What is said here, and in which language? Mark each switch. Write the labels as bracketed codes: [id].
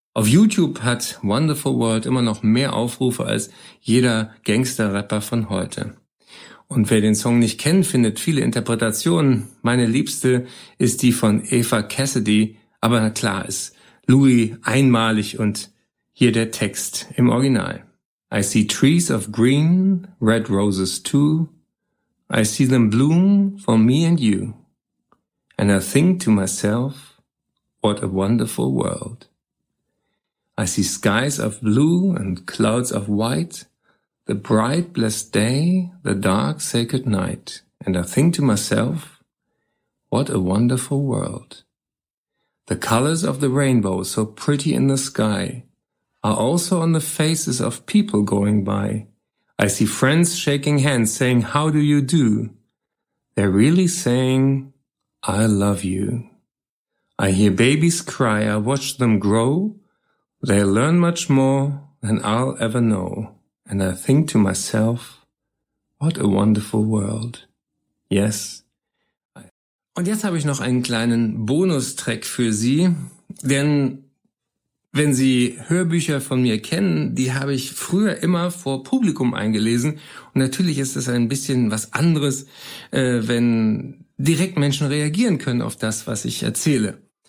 [de] Auf YouTube hat Wonderful World immer noch mehr Aufrufe als jeder Gangster-Rapper von heute. Und wer den Song nicht kennt, findet viele Interpretationen. Meine liebste ist die von Eva Cassidy, aber klar ist Louis einmalig und hier der Text im Original. [en] I see trees of green, red roses too. I see them bloom for me and you. And I think to myself, what a wonderful world. I see skies of blue and clouds of white, the bright blessed day, the dark sacred night, and I think to myself, what a wonderful world. The colors of the rainbow, so pretty in the sky, are also on the faces of people going by. I see friends shaking hands, saying, how do you do? They're really saying, I love you. I hear babies cry, I watch them grow, they learn much more than I'll ever know. And I think to myself, what a wonderful world. Yes. [de] Und jetzt habe ich noch einen kleinen Bonustrack für Sie. Denn wenn Sie Hörbücher von mir kennen, die habe ich früher immer vor Publikum eingelesen. Und natürlich ist es ein bisschen was anderes, wenn direkt Menschen reagieren können auf das, was ich erzähle.